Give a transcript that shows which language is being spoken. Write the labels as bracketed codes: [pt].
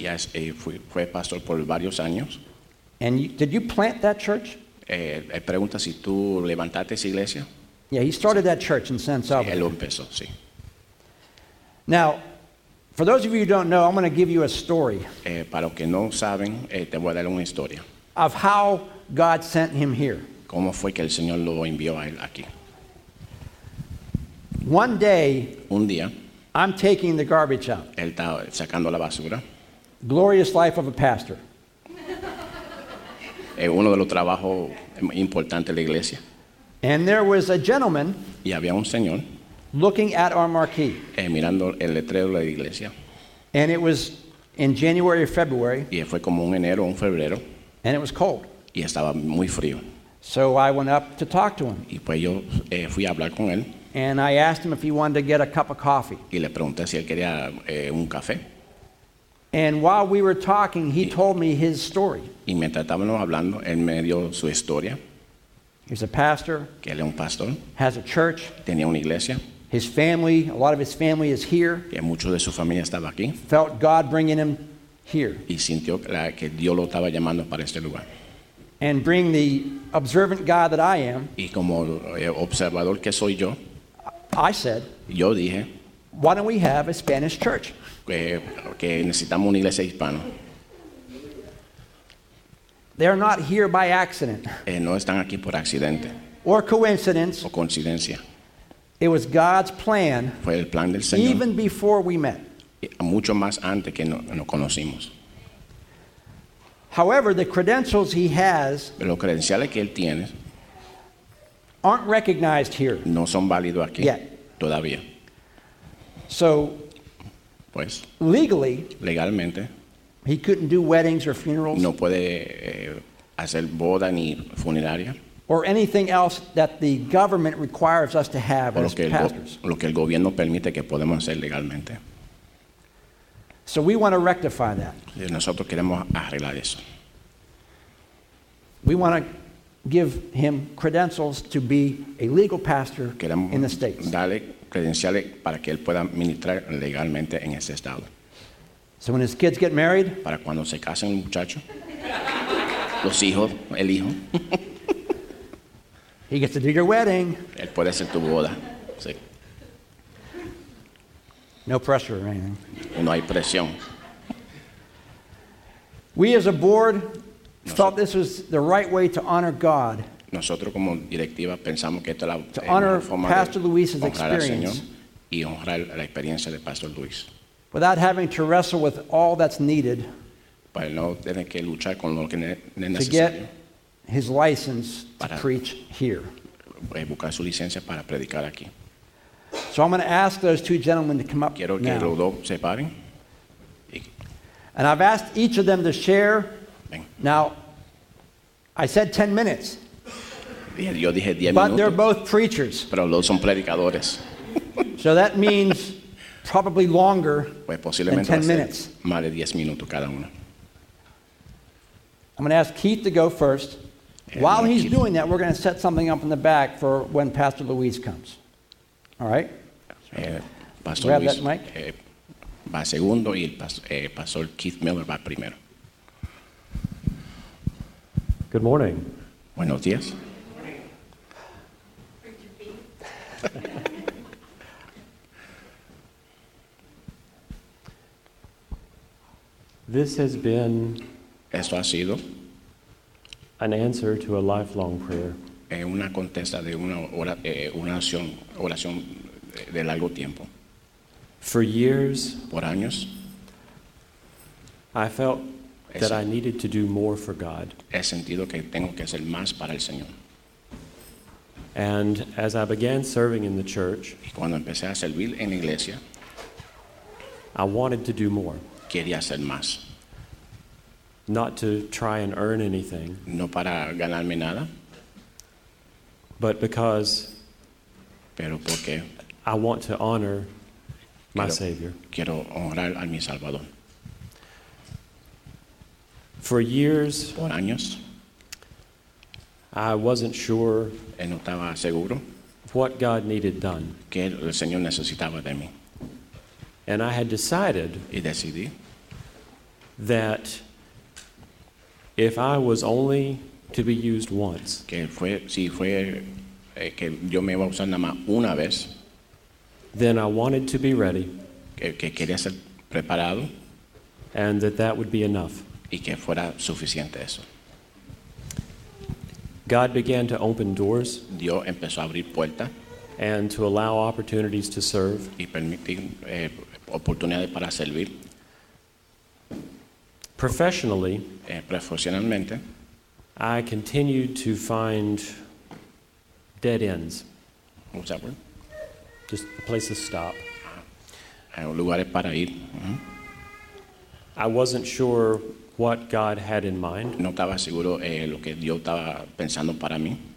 [en] Yes, [es] fue pastor por varios años. [en] And did you plant that church? [es] Pregunta si tú levantaste esa iglesia. [en] Yeah, he started that church in San Salvador. [es] Sí, él lo empezó, sí. [en] Now, for those of you who don't know, I'm going to give you a story. [es] Para los que no saben, te voy a dar una historia. [en] Of how God sent him here. [es] ¿Cómo fue que el Señor lo envió a él aquí? [en] One day, [es] un día, [en] I'm taking the garbage out. [es] Él está sacando la basura. [en] Glorious life of a pastor. [es] Uno de los trabajos importantes de la iglesia. [en] And there was a gentleman. [es] Y había un señor. [en] Looking at our marquee. [es] Mirando el letrero de la iglesia. [en] And it was in January or February. [es] Y fue como un enero, un febrero. [en] And it was cold. [es] Y estaba muy frío. [en] So I went up to talk to him. [es] Y pues yo fui a hablar con él. [en] And I asked him if he wanted to get a cup of coffee. [es] Y le pregunté si él quería un café. [en] And while we were talking, he told me his story. [es] Y mientras estábamos hablando, él me dio su historia. [en] He's a pastor. [es] Que él es un pastor. [en] Has a church. [es] Tenía una iglesia. [en] His family, a lot of his family is here. [es] Que mucho de su familia estaba aquí. [en] Felt God bringing him here. [es] Y sintió que Dios lo estaba llamando para este lugar. [en] And bring the observant guy that I am. [es] Y como observador que soy yo. [en] I said. [es] Yo dije. [en] Why don't we have a Spanish church? [es] Que necesitamos una iglesia hispana. [en] They're not here by accident. [es] No están aquí por accidente. [en] Or coincidence. [es] O coincidencia. [en] It was God's plan. [es] Fue el plan del Señor. [en] Even before we met. [es] Mucho más antes que nos conocimos. [en] However, the credentials he has. [es] Los credenciales que él tiene. [en] Aren't recognized here. [es] No son válidos aquí. [en] Yet. [es] Todavía. [en] So. [es] Pues. [en] Legally. [es] Legalmente. [en] He couldn't do weddings or funerals. [es] No puede hacer boda ni funeraria. [en] Or anything else that the government requires us to have as pastors. [es] Lo que el gobierno permite que podemos hacer legalmente. [en] So we want to rectify that. [es] Nosotros queremos arreglar eso. [en] We want to give him credentials to be a legal pastor [es] queremos [en] in the States. [es] Dale credenciales para que él pueda ministrar legalmente en ese estado. [en] So when his kids get married, [es] para cuando se casen el muchacho, los hijos, el hijo, [en] he gets to do your wedding. [es] Él puede hacer tu boda. Sí. [en] No pressure or anything. [es] No hay presión. [en] We as a board thought this was the right way to honor God. [es] Nosotros como directiva pensamos que esta es la forma de honrar al Señor y honrar la experiencia de Pastor Luis. [en] without having to wrestle with all that's needed to get his license to preach here. [es] Buscar su licencia para predicar aquí. [en] So I'm going to ask those two gentlemen to come up [es] Quiero que [en] now. [es] Los dos se paren. [en] And I've asked each of them to share. [es] Ven. [en] Now, I said 10 minutes. [es] Yo dije 10 [en] but [es] minutos. [en] They're both preachers. [es] Pero los son predicadores. [en] So that means probably longer [es] pues posiblemente [en] than 10 minutes. [es] Más de 10 minutos cada uno. [en] I'm going to ask Keith to go first. While he's doing that, we're going to set something up in the back for when Pastor Luis comes. All right? Pastor Grab Luis, that mic. [es] Va segundo y el Pastor Keith Miller va primero. [en] Good morning. [es] Buenos días. [en] This has been [es] Esto ha sido [en] an answer to a lifelong prayer. [es] Una contesta de una oración, oración de largo tiempo. [en] For years, [es] por años, [en] I felt that I needed to do more for God. [es] He sentido que tengo que hacer más para el Señor. [en] And as I began serving in the church, [es] y cuando empecé a servir en la iglesia, [en] I wanted to do more. [es] Quería hacer más. [en] Not to try and earn anything. [es] No para ganarme nada. [en] But because [es] Pero porque [en] I want to honor my Savior. [es] Quiero honrar a mi Salvador. [en] For years, [es] Por años, [en] I wasn't sure [es] no estaba seguro [en] what God needed done. [es] Que el Señor necesitaba de mí. [en] And I had decided [es] y decidí [en] that if I was only to be used once, [es] que fue, si fue, que yo me iba a usar nada más una vez, [en] then I wanted to be ready, [es] que quería ser preparado, [en] and that would be enough. [es] Y que fuera suficiente eso. [en] God began to open doors, [es] Dios empezó a abrir puertas, [en] and to allow opportunities to serve, [es] y permitir oportunidades para servir. [en] Professionally, [es] profesionalmente, [en] I continued to find dead ends. What's that word? Just a place to stop. [es] Lugares para ir. Mm-hmm. [en] I wasn't sure what God had in mind. [es] No estaba seguro lo que Dios estaba pensando para mí.